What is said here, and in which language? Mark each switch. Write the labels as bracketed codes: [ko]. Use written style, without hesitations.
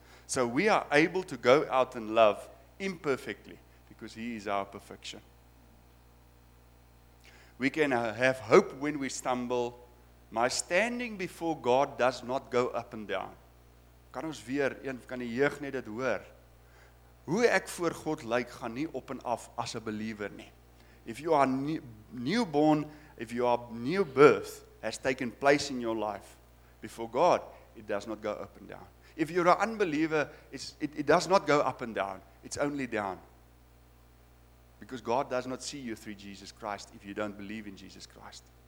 [en] So we are able to go out and love imperfectly because he is our perfection. We can have hope when we stumble. My standing before God does not go up and down. [af] Kan ons weer, kan die jeug net dit hoor? Hoe ek voor God lyk, gaan nie op en af as 'n believer nie. [en] If you are newborn, if you are new birth has taken place in your life before God, it does not go up and down. If you're an unbeliever, it does not go up and down. It's only down. Because God does not see you through Jesus Christ if you don't believe in Jesus Christ.